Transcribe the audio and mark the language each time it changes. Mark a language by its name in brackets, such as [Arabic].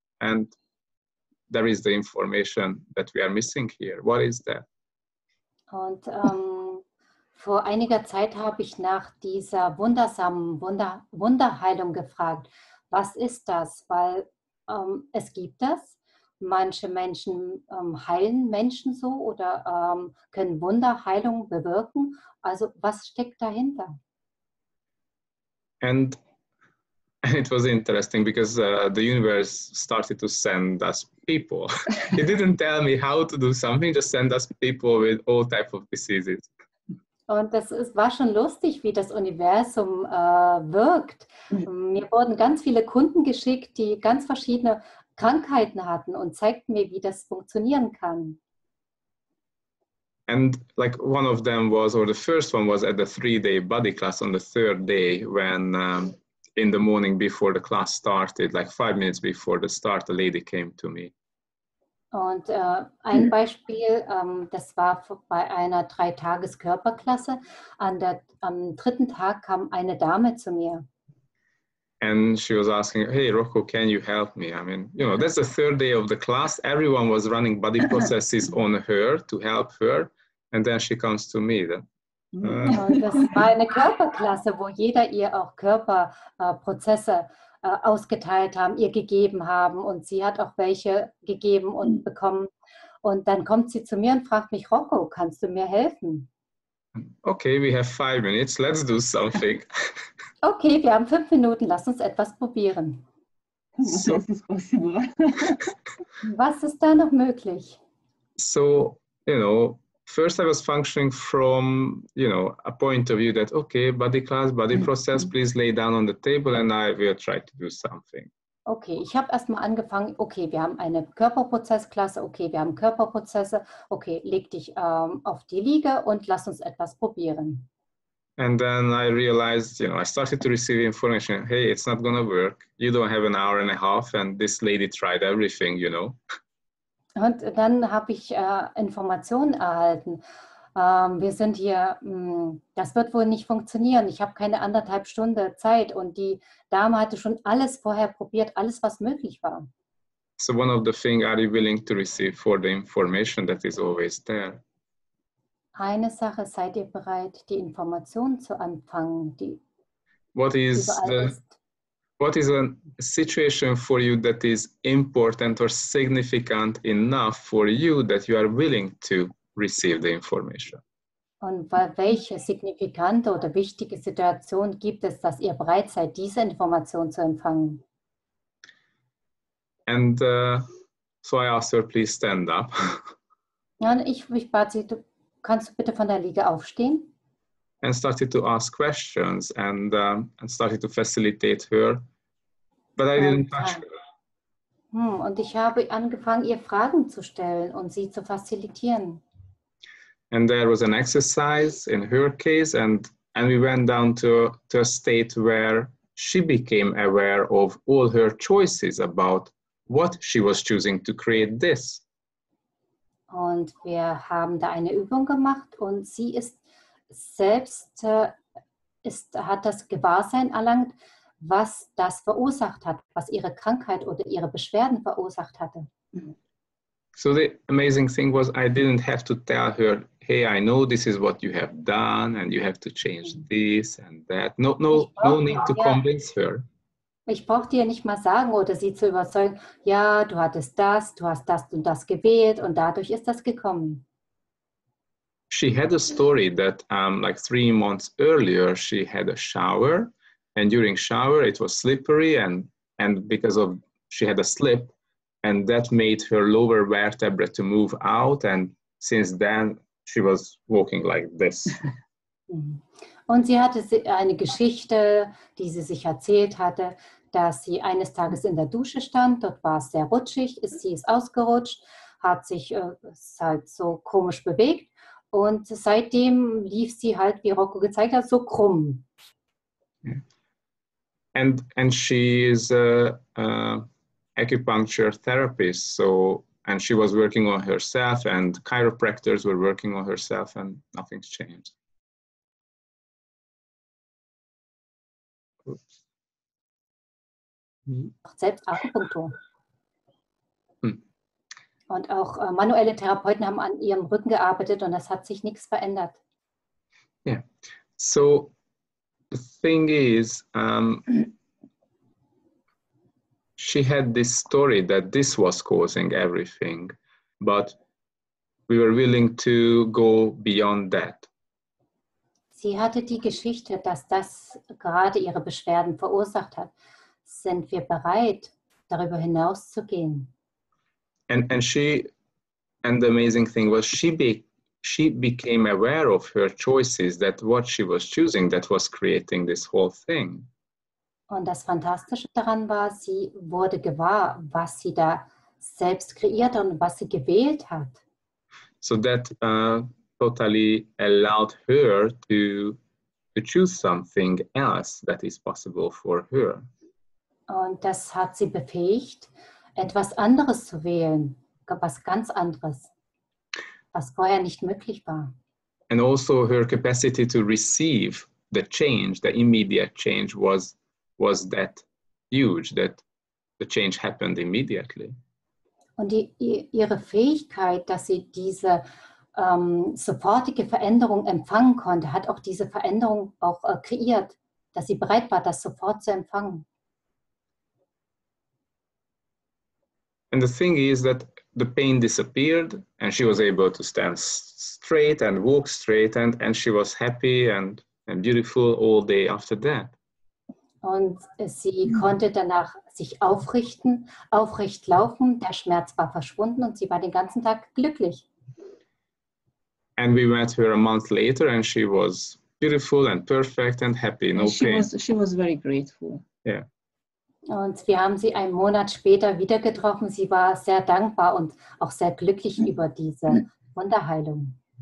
[English] And there is the information that we are missing here. What is that? [German] Und vor einiger Zeit habe ich nach dieser wundersamen Wunderheilung gefragt, was ist das? Weil es gibt das. Manche Menschen heilen Menschen so oder können Wunderheilung bewirken. Also was steckt dahinter? [English] And it was interesting because the universe started to send us people. He didn't tell me how to do something, just send us people with all type of diseases. [German] Und war schon lustig, wie das Universum wirkt. Mir wurden ganz viele Kunden geschickt, die ganz verschiedene Krankheiten hatten und zeigten mir, wie das funktionieren kann. [English] And like one of them was, or the first one was at the 3-day body class on the third day when in the morning before the class started, like 5 minutes before the start, a lady came to me. [German] Und ein Beispiel, das war bei einer 3-Tages-Körperklasse. Am dritten Tag kam eine Dame zu mir. [English] And she was asking, hey, Rocco, can you help me? I mean, you know, that's the third day of the class. Everyone was running body processes on her to help her. And then she comes to me. Then. [German] Das war eine Körperklasse, wo jeder ihr auch Körperprozesse ausgeteilt haben, ihr gegeben haben. Und sie hat auch welche gegeben und bekommen. Und dann kommt sie zu mir und fragt mich, Rocco, kannst du mir helfen? [English] Okay, we have 5 minutes. Let's do something. [German] Okay, wir haben 5 Minuten. Lass uns etwas probieren. Was ist da noch möglich? [English] So, you know, first I was functioning from, you know, a point of view that, okay, body class, body process, please lay down on the table and I will try to do something. [German] Okay, ich habe erstmal angefangen, okay, wir haben eine Körperprozessklasse, okay, wir haben Körperprozesse, okay, leg dich auf die Liege und lass uns etwas probieren. [English] And then I realized, you know, I started to receive information, hey, it's not going to work, you don't have an hour and a half and this lady tried everything, you know. [German] Und dann habe ich Informationen erhalten. Wir sind hier, das wird wohl nicht funktionieren. Ich habe keine anderthalb Stunde Zeit. Und die Dame hatte schon alles vorher probiert, alles, was möglich war. [English] So one of the things, are you willing to receive for the information that is always there? [German] Eine Sache, seid ihr bereit, die Informationen zu empfangen, die [English] what is [German] überall [English] the- [German] ist? [English] What is a situation for you that is important or significant enough for you that you are willing to receive the information? [German] Und welche signifikante oder wichtige Situation gibt es, dass ihr bereit seid, diese Information zu empfangen? [English] And so I asked her, please stand up. [German] Ich bat sie, du, kannst du bitte von der Liege aufstehen? [English] And started to ask questions and started to facilitate her. But I didn't touch her. [German] Und ich habe angefangen, ihr Fragen zu stellen und sie zu facilitieren. [English] And there was an exercise in her case and we went down to a state where she became aware of all her choices about what she was choosing to create this. [German] Und wir haben da eine Übung gemacht und sie ist selbst hat das Gewahrsein erlangt, was das verursacht hat, was ihre Krankheit oder ihre Beschwerden verursacht hatte. [English] So the amazing thing was, I didn't have to tell her, hey, I know this is what you have done and you have to change this and that. No need to convince her. [German] Ich brauchte ihr nicht mal sagen oder sie zu überzeugen, ja, du hattest das, du hast das und das gewählt und dadurch ist das gekommen. [English] She had a story that like 3 months earlier, she had a shower and during shower, it was slippery and because of she had a slip and that made her lower vertebra to move out. And since then, she was walking like this. [German] Und sie hatte eine Geschichte, die sie sich erzählt hatte, dass sie eines Tages in der Dusche stand. Dort war es sehr rutschig. Sie ist ausgerutscht, hat sich halt so komisch bewegt. Und seitdem lief sie halt, wie Rocco gezeigt hat, so krumm. Yeah. [English] And she is an acupuncture therapist. So, and she was working on herself and chiropractors were working on herself and nothing's changed. Oops. [German] Selbst Akupunktur. Und auch manuelle Therapeuten haben an ihrem Rücken gearbeitet und das hat sich nichts verändert. Yeah. [English] So the thing is, she had this story that this was causing everything, but we were willing to go beyond that. [German] Sie hatte die Geschichte, dass das gerade ihre Beschwerden verursacht hat. Sind wir bereit, darüber hinauszugehen? [English] And the amazing thing was she became aware of her choices, that what she was choosing that was creating this whole thing. [German] Und das Fantastische daran war, sie wurde gewahr, was sie da selbst kreiert und was sie gewählt hat. [English] So that totally allowed her to choose something else that is possible for her. [German] Und das hat sie befähigt, etwas anderes zu wählen, was ganz anderes, was vorher nicht möglich war. [English] And also her capacity to receive the change, the immediate change was that huge, that the change happened immediately. [German] Und ihre Fähigkeit, dass sie diese sofortige Veränderung empfangen konnte, hat auch diese Veränderung auch kreiert, dass sie bereit war, das sofort zu empfangen. [English] And the thing is that the pain disappeared and she was able to stand straight and walk straight and she was happy and beautiful all day after that. [German] Und sie konnte danach sich aufrichten, aufrecht laufen, der Schmerz war verschwunden und sie war den ganzen Tag glücklich. [English] And we met her a month later and she was beautiful and perfect and happy, no she pain. She was very grateful. Yeah. [German] Und wir haben sie einen Monat später wieder getroffen. Sie war sehr dankbar und auch sehr glücklich über diese Wunderheilung.